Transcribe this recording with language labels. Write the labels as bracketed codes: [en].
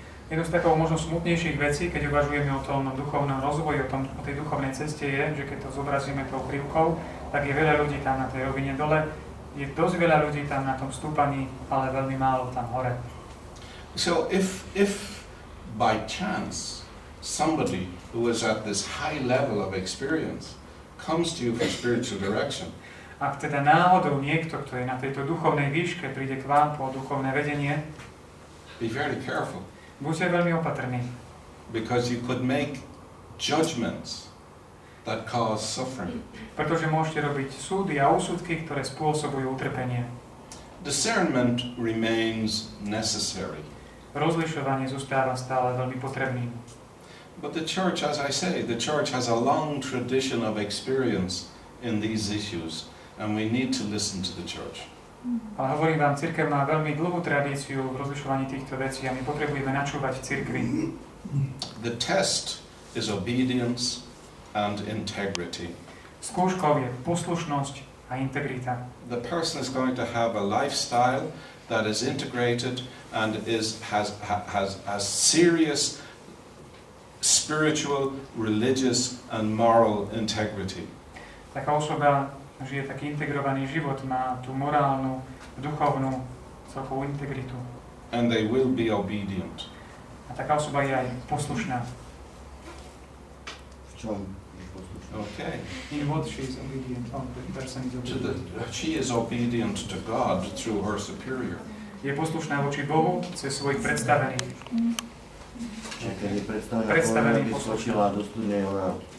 [sk] Jedno z takových možno smutnejších vecí, keď uvažujeme o tom duchovnom rozvoji, o tej duchovnej ceste je, že keď to zobrazíme tou krivkou, tak je veľa ľudí tam na tej rovine dole, je dosť veľa ľudí tam na tom stúpaní, ale veľmi málo tam hore. [en] So if by chance somebody who is at this high level of experience comes to you for spiritual direction, [sk] ak teda náhodou niekto, kto je na tejto duchovnej výške, príde k vám po duchovné vedenie, [en] be very careful. [sk] Buďte veľmi opatrní. [en] Because you could make judgments that cause suffering. [sk] Pretože môžete robiť súdy a úsudky, ktoré spôsobujú utrpenie. [en] Discernment remains necessary. [sk] Rozlišovanie zostáva stále veľmi potrebným. [en] But the church, as I say, the church has a long tradition of experience in these issues. And we need to listen to the church. [sk] A hovorím vám, cirkev má veľmi dlhú tradíciu v rozlišovaní týchto vecí a my potrebujeme načúvať cirkvi. [en] The test is obedience and integrity. [sk] Skúškou je poslušnosť a integrita. [en] The person is going to have a lifestyle that is integrated and has serious spiritual, religious and moral integrity. [sk] Taká osoba žije taký integrovaný život, má tú morálnu, duchovnú, celkovú integritu. [en] And they will be obedient. [sk] A taká osoba je aj poslušná. V čom je poslušná? [en] Okay. In what she is obedient, the person is obedient. She is obedient to God through her superior. [sk] Je poslušná voči Bohu cez svojich predstavených. Keď je predstavená, by skočila do studnej hora.